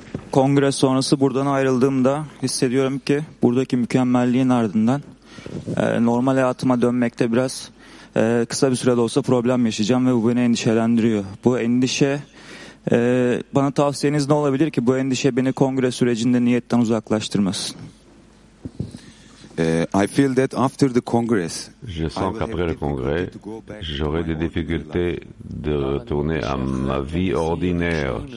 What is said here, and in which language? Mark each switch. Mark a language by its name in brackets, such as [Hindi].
[Turkish] Kongre sonrası buradan ayrıldığımda hissediyorum ki buradaki mükemmelliğin ardından normal hayatıma dönmekte biraz kısa bir sürede olsa problem yaşayacağım ve bu beni endişelendiriyor. Bu endişe bana tavsiyeniz ne olabilir ki bu endişe beni kongre sürecinde niyetten uzaklaştırmasın? [English] I feel that after the congress, [French] je sens qu'après le congrès, j'aurai des difficultés de retourner à ma vie ordinaire.